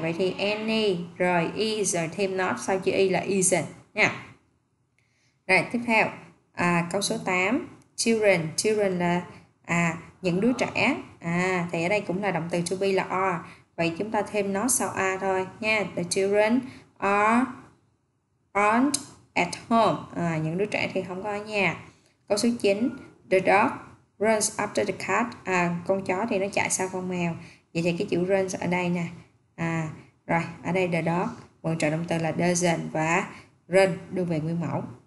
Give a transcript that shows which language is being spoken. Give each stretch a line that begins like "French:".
Vietnamese: Vậy thì any, rồi is, rồi thêm not sau chữ y là isn't nha. Rồi, tiếp theo, câu số 8, children. Children là những đứa trẻ. À, thì ở đây cũng là động từ to be là are. Vậy chúng ta thêm nó sau are thôi nha.
English: The children aren't at home.
Vietnamese: À, những đứa trẻ thì không có ở nhà. Câu số 9,
English: the dog runs after the cat.
Vietnamese: À, con chó thì nó chạy sau con mèo. Vậy thì cái chữ runs ở đây nè. À, rồi, ở đây the dog, mượn trợ động từ là doesn't và run đưa về nguyên mẫu.